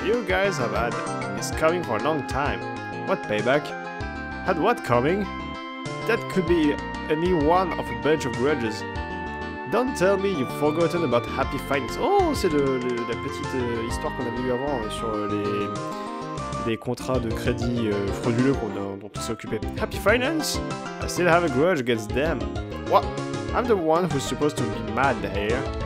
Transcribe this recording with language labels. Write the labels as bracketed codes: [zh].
[en] You guys have had this coming for a long time. What payback? Had what coming? That could be any one of a bunch of grudges. Don't tell me you've forgotten about happy fights. [fr] Oh, c'est la petite histoire qu'on avait eue avant sur des contrats de crédit frauduleux dont on s'est occupé. [en] Happy Finance? I still have a grudge against them. What? I'm the one who's supposed to be mad here.